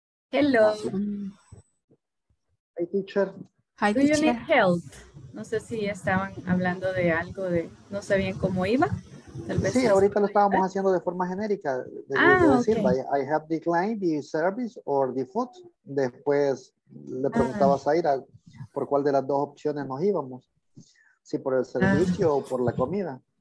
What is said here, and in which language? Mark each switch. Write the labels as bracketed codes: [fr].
[en] Hello. Hi, teacher. Hi, teacher. Do you need help? [es] No sé si estaban hablando de algo, de no sabían cómo iba. Tal vez sí, ahorita lo estábamos haciendo de forma genérica. De decir, [en] okay. I have declined the service or the food. [es] Después le preguntaba a Zaira por cuál de las dos opciones nos íbamos. Si por el servicio o por la comida.